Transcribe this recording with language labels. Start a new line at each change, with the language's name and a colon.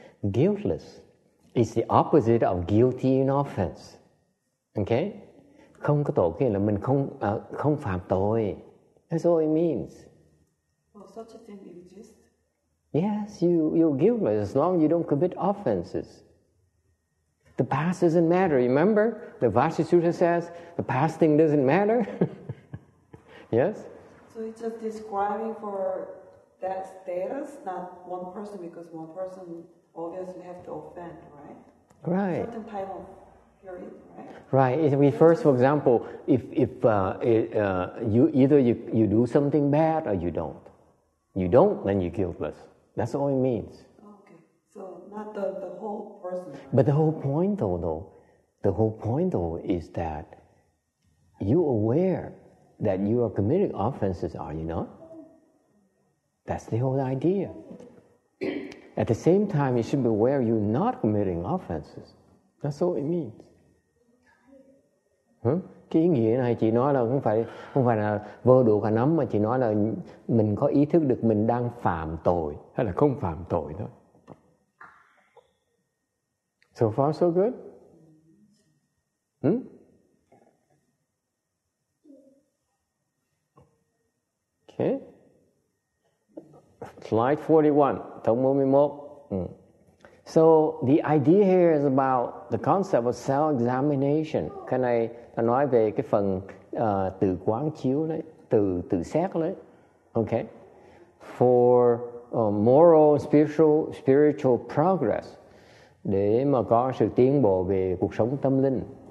English: Guiltless is the opposite of guilty in offense. Okay?
Vietnamese: Không có tội nghĩa là mình không không phạm tội.
English: That's all it means. Well, such a thing exists. Yes, you're guiltless as long as you don't commit offenses. The past doesn't matter, remember? The Vasisutra says the past thing doesn't matter. Yes? So it's just describing for that status, not one person, because one person obviously have to offend, right? Right. Certain type of right. If we first, for example, if you do something bad or you don't, then you're guiltless. That's all it means. Okay, so not the whole person. But the whole point though is that you're aware that you are committing offenses, are you not? That's the whole idea. At the same time, you should be aware you're not committing offenses. That's all it means.
Vietnamese: Cái ý nghĩa này chị nói là không phải là vơ đùa cả nắm, mà chị nói là mình có ý thức được mình đang phạm tội hay là không phạm tội đó.
English: So far so good? Slide 41, Thông Môn 11. So the idea here is about the concept of self-examination.
Vietnamese: Cái này là nói về cái phần tự quán chiếu đấy, tự xét đấy. Okay.
English: For moral and spiritual progress,
Vietnamese: để mà có sự tiến bộ về cuộc sống tâm linh.